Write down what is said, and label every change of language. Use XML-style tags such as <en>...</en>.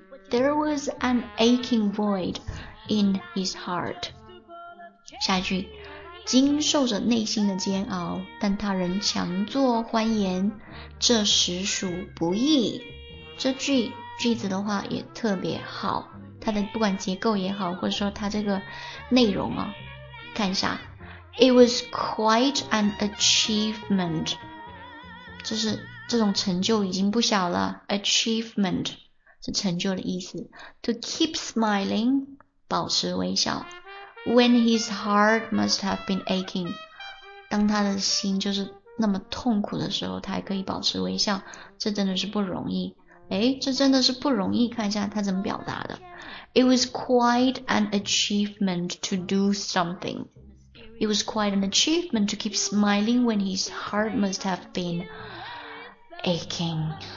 <en>There was an aching void in his heart.</en> <zh>下一句，金受着内心的煎熬，但他仍强作欢颜，这实属不易。这句句子的话也特别好，它的不管结构也好，或者说它这个内容啊，看一下。</zh> <en>It was quite an achievement.</en> <zh>就是这种成就已经不小了。 Achievement 是成就的意思。</zh> <en>To keep smiling,</en> <zh>保持微笑。</zh> <en>When his heart must have been aching,</en> <zh>当他的心就是那么痛苦的时候，他还可以保持微笑，这真的是不容易。诶，这真的是不容易，看一下他怎么表达的。</zh> <en>It was quite an achievement to do something. It was quite an achievement to keep smiling when his heart must have been aching.</en>